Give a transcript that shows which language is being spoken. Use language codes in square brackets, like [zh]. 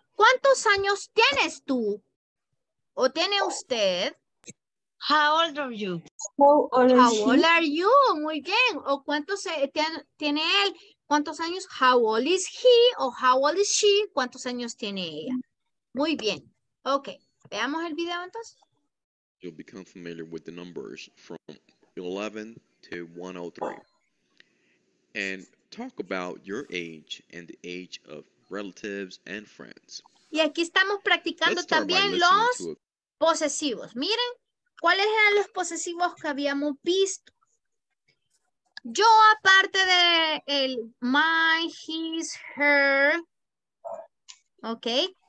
[es] ¿Cuántos años tienes tú? ¿O tiene usted? [en] How old are you? How old are you? [es] Muy bien. ¿O cuántos tiene él? ¿Cuántos años? [en] How old is he? ¿O how old is she? [es] ¿Cuántos años tiene ella? Muy bien. [en] Okay, [es] veamos el video entonces. [en] You'll become familiar with the numbers from 11 to 103. And talk about your age and the age of relatives and friends. [es] Y aquí estamos practicando también los posesivos. Miren, ¿cuáles eran los posesivos que habíamos visto? Yo, aparte de el my, his, her, okay.